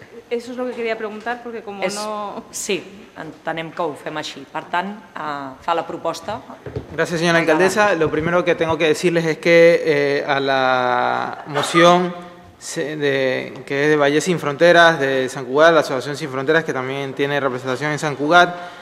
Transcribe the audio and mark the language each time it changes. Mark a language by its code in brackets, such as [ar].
[es] Eso es lo que quería preguntar, porque como es, no... [ca] Sí, entenem que ho fem així. Per tant, fa la proposta. [es] Gracias, señora alcaldesa. Lo primero que tengo que decirles es que a la moción... De, que es de Valle Sin Fronteras, de San Cugat, la Asociación Sin Fronteras, que también tiene representación en San Cugat.